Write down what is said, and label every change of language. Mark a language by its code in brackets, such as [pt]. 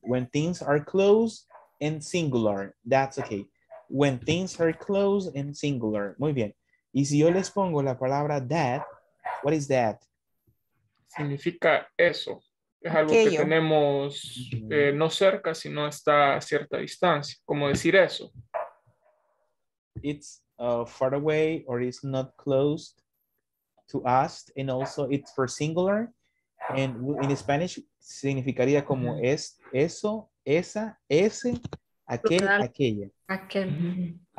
[en] When things are close and singular, that's okay. When things are close and singular. [es] Muy bien. Y si yo les pongo la palabra that, [en] what is that? [es] Significa eso. Es algo aquello. Que tenemos no cerca, sino está a cierta distancia. ¿Cómo decir eso? [en] It's far away or is not close to us. And also it's for singular. And in Spanish, [es] significaría como es, eso, esa, ese, aquel, aquella. Aquel.